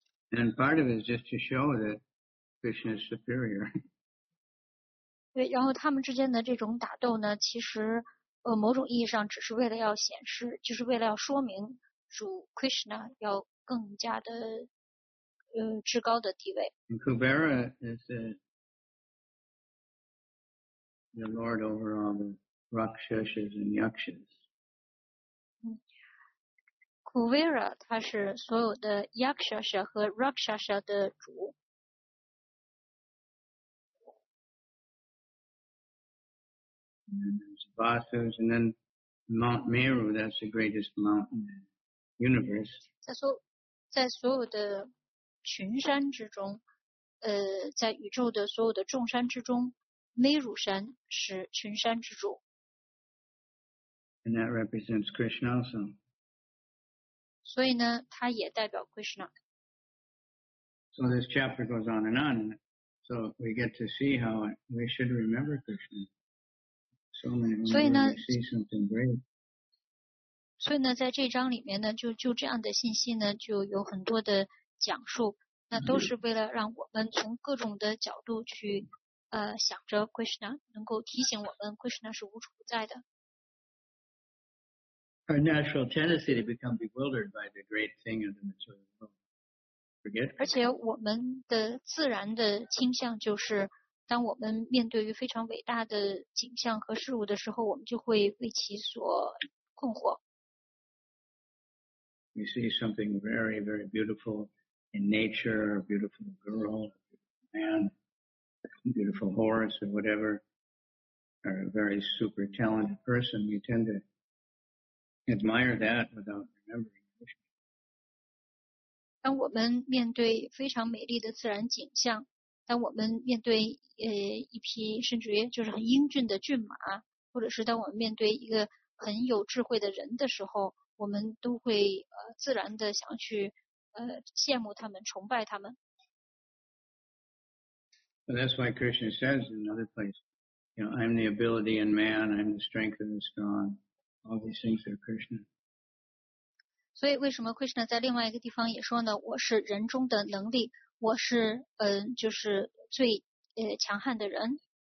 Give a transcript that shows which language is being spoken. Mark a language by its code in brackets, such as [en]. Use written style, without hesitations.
[en] And part of it is just to show that Krishna is superior. [zh] 对，然后他们之间的这种打斗呢，其实某种意义上只是为了要显示，就是为了要说明。主 Krishna 要更加的至高的地位。 [en] And Kubera is the lord over all the Rakshasas and Yakshas. [zh] Kubera 他是所有的 Yakshasa 和 Rakshasa 的主。 [en] And there's Vasus and then Mount Meru, that's the greatest mountain. Universe. [zh] 在所有的群山之中，在宇宙的所有的众山之中，梅乳山是群山之主。 [en] And that represents Krishna also. [zh] 所以呢，它也代表 Krishna。 [en] So this chapter goes on and on, so we get to see how we should remember Krishna. So many times we see something great. [zh] 所以呢在这章里面呢就这样的信息呢就有很多的讲述，那都是为了让我们从各种的角度去想着 Krishna， 能够提醒我们 Krishna 是无处不在的。 [en] Our natural tendency to become bewildered by the great thing of the material world. Forget. [zh] 而且我们的自然的倾向就是当我们面对于非常伟大的景象和事物的时候，我们就会为其所困惑。 [en] We see something very, very beautiful in nature, a beautiful girl, a beautiful man, a beautiful horse or whatever, or a very super talented person. We tend to admire that without remembering. [zh] 当我们面对非常美丽的自然景象，当我们面对一匹甚至于就是很英俊的骏马，或者是当我们面对一个很有智慧的人的时候，我们都会自然的想去羡慕他们，崇拜他们。 [en] And that's why Krishna says in another place, you know, I'm the ability in man, I'm the strength of the strong. All these things are Krishna. [zh] 所以为什么 Krishna 在另外一个地方也说呢，我是人中的能力，我是就是最强悍的人。